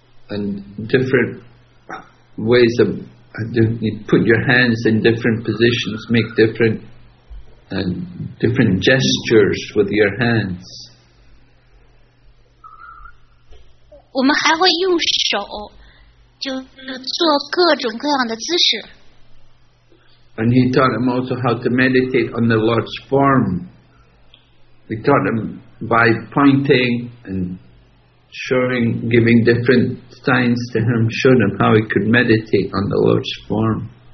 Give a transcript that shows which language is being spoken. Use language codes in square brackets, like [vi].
[en] And different ways of, you put your hands in different positions, make different gestures with your hands. [zh] 我们还会用手，就做各种各样的姿势。 [en] And he taught him also how to meditate on the Lord's form. He taught him by pointing and showing, giving different signs to him, showed him how he could meditate on the Lord's form.